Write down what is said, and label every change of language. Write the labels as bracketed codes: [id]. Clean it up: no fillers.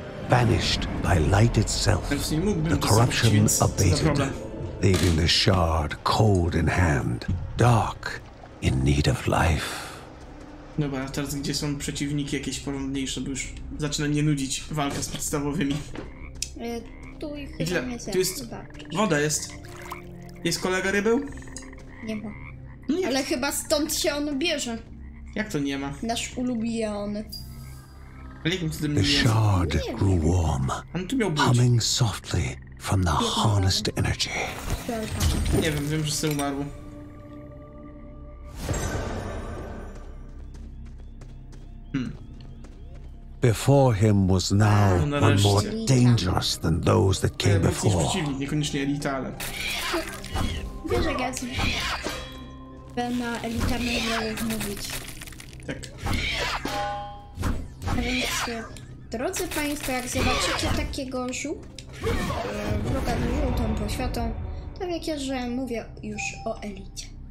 [en] Banished by light itself, the corruption abated, leaving the shard cold in hand, dark in need of life. [pl] Dobra, a teraz gdzie są przeciwniki jakieś porządniejsze, bo już zaczyna mnie nudzić walka z podstawowymi. Tu i chyba nie jest. Tu jest woda, jest. Jest kolega rybeł? Nie ma. Nie. Ale chyba stąd się on bierze. Jak to nie ma? Nasz ulubiony. [en] The shard grew warm, humming softly from the harnessed energy. [pl] Nie wiem, wiem, że się umarł. [en] Before him was now one more dangerous than those that came before. [pl] Niekoniecznie elita, ale... Wiesz, jak ja sobie na elita nie mogę mówić. Tak. A więc, drodzy państwo, jak zobaczycie takiego wroga z żółtą poświatą, to wiecie, że mówię już o elicie.